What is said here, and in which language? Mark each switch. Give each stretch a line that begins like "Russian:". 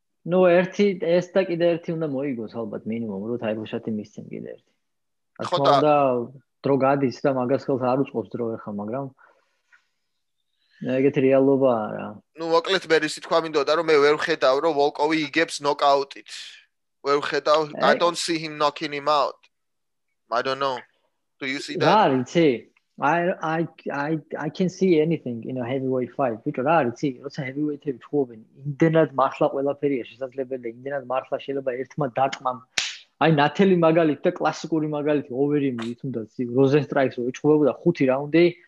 Georgian: ნუ ერთი ეს და კიდე ერთი უნდა მოიგოს ალბათ მინიმუმ, რომ title shot-ი მისცემ კიდე ერთი. ხო და უნდა დრო გადის და მაგას ხელს არ უწყობს დრო ახლა, მაგრამ ეგეთ რეალობაა რა. Ну, მოკლედ მე ის თქვა მინდოდა, რომ მე ვერ ვხედავ, რომ ვოლკოვი იგებს ნოკაუტით. ვერ ვხედავ.
English: I don't see him knocking him out. I don't know. Do you see that?
Georgian: რა, იცი?
English: I can see anything in a heavyweight fight.
Georgian: ვიტყოდა რა არის ცი, როცა heavyweight-ები ჩხუბენ, იმდენად მართლა ყველაფერია შესაძლებელი, იმდენად მართლა შეიძლება ერთმა დარტყმამ. აი ნათელი მაგალითი და კლასიკური მაგალითი ოვერიმი თუნდაც ცი, როზენსტრაიკს ეჩხუბებოდა 5 რაუნდი.